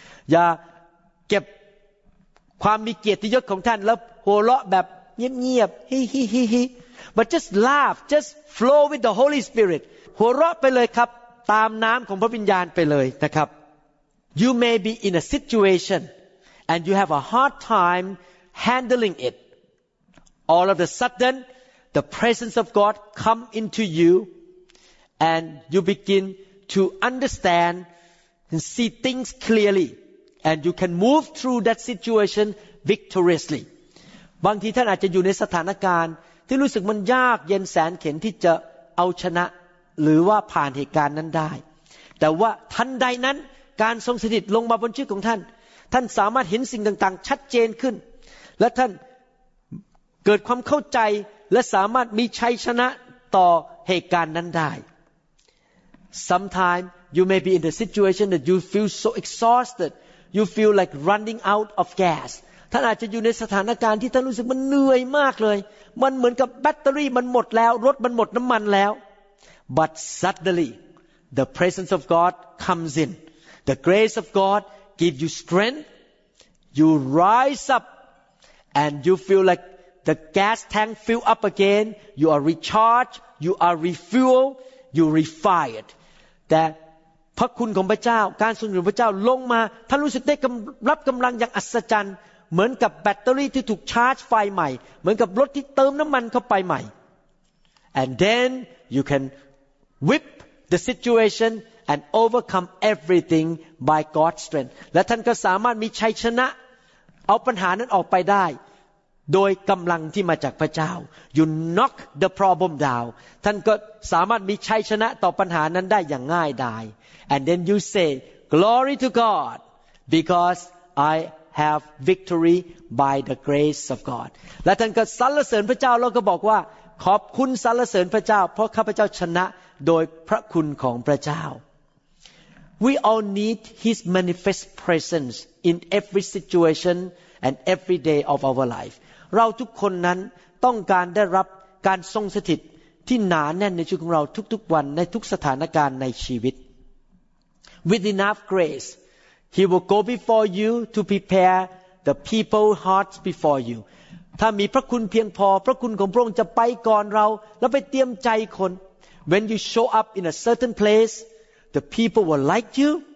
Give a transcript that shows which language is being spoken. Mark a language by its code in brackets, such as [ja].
[th] อย่าเก็บความมีเกียรติยศของท่านแล้วหัวเราะแบบเงียบๆ [en] but just laugh just flow with the Holy Spirit [th] หัวเราะไปเลยครับตามน้ำของพระวิญญาณไปเลยนะครับ [en] you may be in a situation and you have a hard time handling it all of a sudden the presence of God come into you and you begin to understand and see things clearly and you can move through that situation victoriously [th] บางทีท่านอาจจะอยู่ในสถานการณ์ที่รู้สึกมันยากเย็นแสนเข็ญที่จะเอาชนะหรือว่าผ่านเหตุการณ์นั้นได้แต่ว่าทันใดนั้นการทรงสถิตลงมาบนชีวิตของท่านท่านสามารถเห็นสิ่งต่างๆชัดเจนขึ้นและท่านเกิดความเข้าใจและสามารถมีชัยชนะต่อเหตุการณ์นั้นได้ [en] Sometimes you may be in the situation that you feel so exhausted you feel like running out of gas [th] ท่านอาจจะอยู่ในสถานการณ์ที่ท่านรู้สึกมันเหนื่อยมากเลยมันเหมือนกับแบตเตอรี่มันหมดแล้วรถมันหมดน้ำมันแล้ว [en] but suddenly the presence of God comes in the grace of God give you strength you rise up and you feel like the gas tank fill up again you are recharged you are refueled you refired [th] thatพระคุณของพระเจ้าการทรงอยู่ของพระเจ้าลงมาท่านรู้สึกได้รับกำลังอย่างอัศจรรย์เหมือนกับแบตเตอรี่ที่ถูกชาร์จไฟใหม่เหมือนกับรถที่เติมน้ำมันเข้าไปใหม่ [en] and then you can whip the situation and overcome everything by God's strength [th] และท่านก็สามารถมีชัยชนะเอาปัญหานั้นออกไปได้โดยกำลังที่มาจากพระเจ้า [en] you knock the problem down [th] ท่านก็สามารถมีชัยชนะต่อปัญหานั้นได้อย่างง่ายดาย [en] and then you say glory to God because IHave victory by the grace of God. [th] และท่านก็สรรเสริญพระเจ้าแล้วก็บอกว่าขอบคุณสรรเสริญพระเจ้าเพราะข้าพเจ้าชนะโดยพระคุณของพระเจ้า [en] We all need His manifest presence in every situation and every day of our life. [th] เราทุกคนนั้นต้องการได้รับ การทรงสถิตที่หนาแน่นในชีวิตของเราทุกๆวันในทุกสถานการณ์ในชีวิต [en] With enough grace he will go before you to prepare the people's hearts before you [th] ถ้ามีพระคุณเพียงพอพระคุณของพระองค์จะไปก่อนเราแล้วไปเตรียมใจคน [en] When you show up in a certain place the people will like you